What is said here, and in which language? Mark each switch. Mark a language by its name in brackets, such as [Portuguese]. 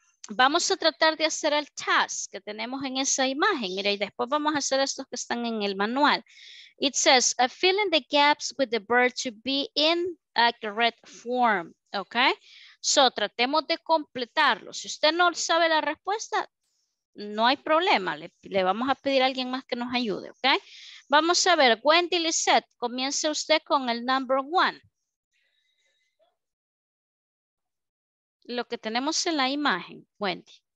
[Spanish] Vamos a tratar de hacer el task que tenemos en esa imagen. Mira, y después vamos a hacer estos que están en el manual. [English] It says, fill in the gaps with the verb to be in a correct form. [Spanish] Ok. So, tratemos de completarlo. Si usted no sabe la respuesta, no hay problema. Le vamos a pedir a alguien más que nos ayude. Ok. Vamos a ver, Wendy Lizette, comience usted con el [English] number one. [Spanish] Lo que tenemos en la imagen, Wendy.